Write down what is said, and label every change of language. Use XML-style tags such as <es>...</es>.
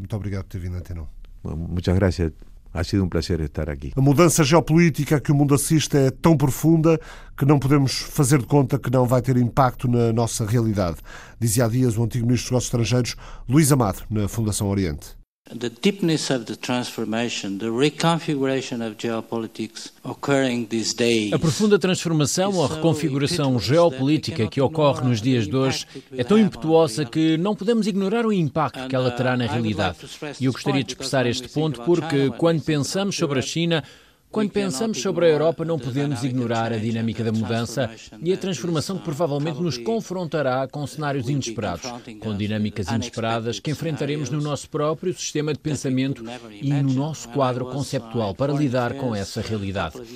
<pt>Muito obrigado por ter vindo à Antena.</pt> <es>Muchas gracias. Ha sido</es> <pt>um prazer estar aqui. A mudança geopolítica que o mundo assiste é tão profunda que não podemos fazer de conta que não vai ter impacto na nossa realidade, dizia há dias o antigo ministro dos Negócios Estrangeiros, Luís Amado, na Fundação Oriente.</pt> <en>The deepness of the transformation, the reconfiguration of geopolitics occurring these days.</en> <pt>A profunda transformação ou a reconfiguração geopolítica que ocorre nos dias de hoje é tão impetuosa que não podemos ignorar o impacto que ela terá na realidade. E eu gostaria de expressar este ponto porque, quando pensamos sobre a China, Quando pensamos sobre a Europa, não podemos ignorar a dinâmica da mudança e a transformação que provavelmente nos confrontará com cenários inesperados, com dinâmicas inesperadas que enfrentaremos no nosso próprio sistema de pensamento e no nosso quadro conceptual para lidar com essa realidade.</pt>